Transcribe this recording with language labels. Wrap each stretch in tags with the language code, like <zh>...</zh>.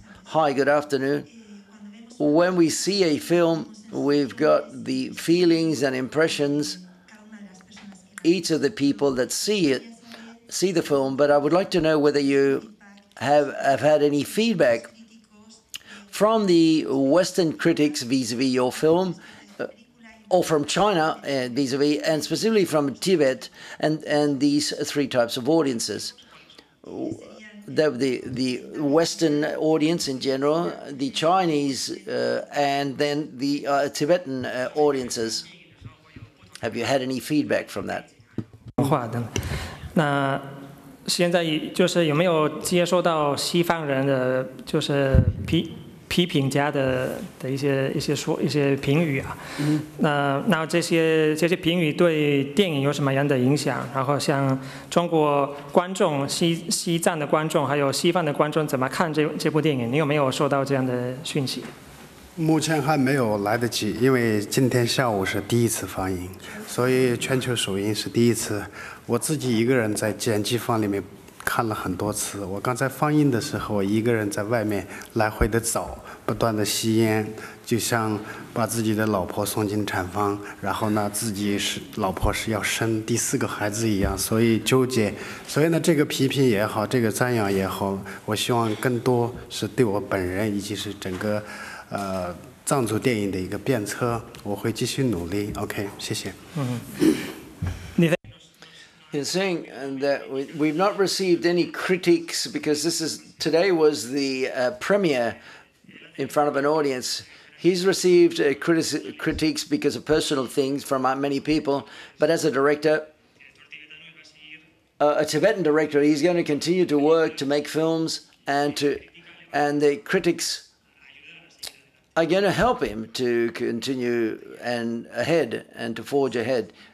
<en>Hi, good afternoon. When we see a film, we've got the feelings and impressions, each of the people that see it, see the film, but I would like to know whether you have had any feedback from the Western critics vis-a-vis your film, or from China vis-a-vis, and specifically from Tibet, and these three types of audiences. The Western audience in general, the Chinese, and then the Tibetan audiences. Have you had any feedback from that?</en> <zh>那现在就是有没有接收到西方人的就是批评家的一些评语啊？那这些评语对电影有什么样的影响？然后像中国观众、西藏的观众还有西方的观众怎么看这部电影？你有没有收到这样的讯息？目前还没有来得及，因为今天下午是第一次放映，所以全球首映是第一次。我自己一个人在剪辑房里面看了很多次，我刚才放映的时候我一个人在外面来回的走，不断的吸烟，就像把自己的老婆送进产房，然后呢自己是老婆是要生第四个孩子一样，所以纠结。所以呢这个批评也好，这个赞扬也好，我希望更多是对我本人以及是整个藏族电影的一个鞭策，我会继续努力。 OK， 谢谢。</zh> <en>You're saying that we've not received any critics because this is today was the premiere in front of an audience. He's received critiques because of personal things from many people. But as a director, a Tibetan director, he's going to continue to work to make films and the critics are going to help him to continue and ahead and to forge ahead.</en>